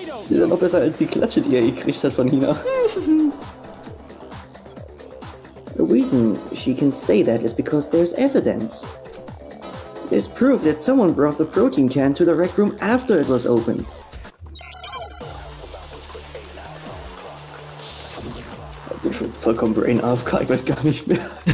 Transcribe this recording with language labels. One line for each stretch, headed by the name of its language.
German: Die ist noch besser als die Klatsche, die er gekriegt hat von Hina.
English: The reason she can say that is because there's evidence. There's proof that someone brought the protein can to the rec room after it was opened.
German: Ich bin schon vollkommen brain AFK, ich weiß gar nicht mehr.